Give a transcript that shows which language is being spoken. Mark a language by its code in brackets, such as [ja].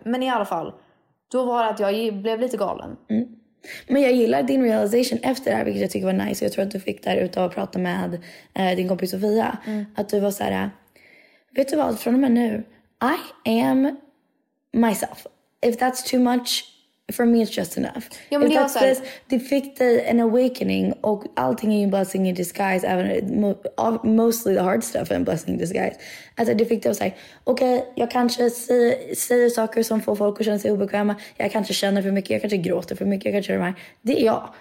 [sv] Men i alla fall, då var det att jag blev lite galen. Mm. Men jag gillar din realization efter det här, vilket jag tycker var nice. Jag tror att du fick där ut av att prata med din kompis Sofia. Mm. Att du var så här, vet du vad, från och med nu, [en] I am myself. If that's too much, for me it's just enough. [sv] Ja, men [en] if that's this, [sv] det fick dig en awakening och allting är ju en [en] blessing in disguise. [sv] Även, [en] mostly the hard stuff [sv] är en [en] blessing in disguise. Alltså det fick dig att säga, okej, jag kanske säger saker som får folk att känna sig obekväma. Jag kanske känner för mycket, jag kanske gråter för mycket, jag kanske gör det här. Det är jag.